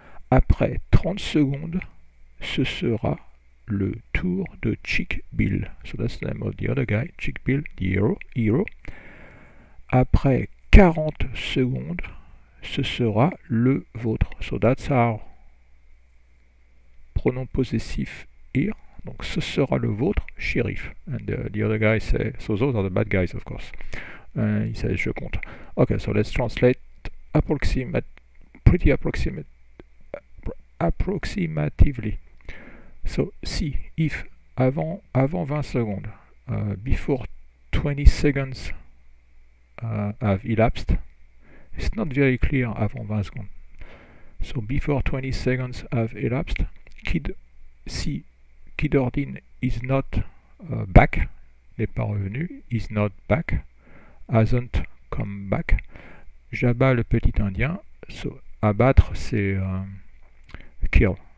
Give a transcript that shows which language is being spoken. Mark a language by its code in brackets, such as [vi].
[fr] Après 30 secondes, ce sera le tour de Chick Bill. [en] So that's the name of the other guy. [fr] Chick Bill, [en] the hero. Hero. [fr] Après 40 secondes, ce sera le vôtre. [en] So that's our pronom possessif. [fr] Here, donc ce sera le vôtre, shérif. [en] And the other guy says, so those are the bad guys, of course. He says, [fr] je compte. [en] Okay, so let's translate approximatively. So, si, if, [fr] avant 20 secondes, [en] before 20 seconds have elapsed, it's not very clear avant 20 secondes. So, before 20 seconds have elapsed, Kid Ordine is not back, [fr] n'est pas revenu, [en] is not back, hasn't come back. [fr] Jabba le petit indien, so abattre c'est kill.